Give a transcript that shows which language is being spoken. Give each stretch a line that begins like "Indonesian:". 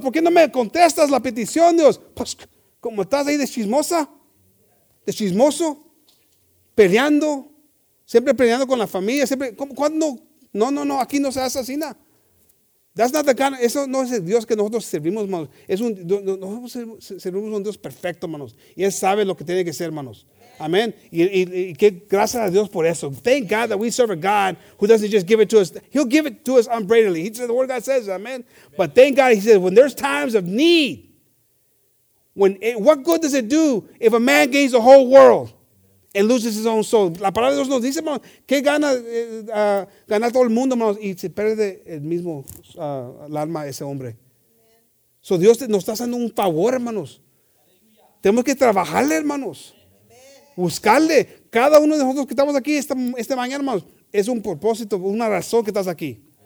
Spanish: ¿Por qué no me contestas la petición, Dios? Pues, como estás ahí de chismosa, de chismoso, peleando, siempre peleando con la familia, siempre, ¿cuándo? No, aquí no se hace así, ¿no?
English: That's not the kind of,
Spanish: eso no es el Dios que nosotros servimos, hermanos. Nosotros servimos a un Dios perfecto, hermanos. Y Él sabe lo que tiene que ser, hermanos. Amén. Y que gracias a Dios por eso.
English: Thank God that we serve a God who doesn't just give it to us. He'll give it to us unbraidedly. He said, the word of God says, amen. But thank God, he said, when there's times of need, what good does it do if a man gains the whole world and loses his own soul?
Spanish: La palabra de Dios nos dice, hermanos, que gana todo el mundo, hermanos, y se pierde el mismo el alma ese hombre. So Dios nos está haciendo un favor, hermanos. Tenemos que trabajarle, hermanos. Buscarle. Cada uno de nosotros que estamos aquí esta mañana, hermanos, es un propósito, una razón que estás aquí.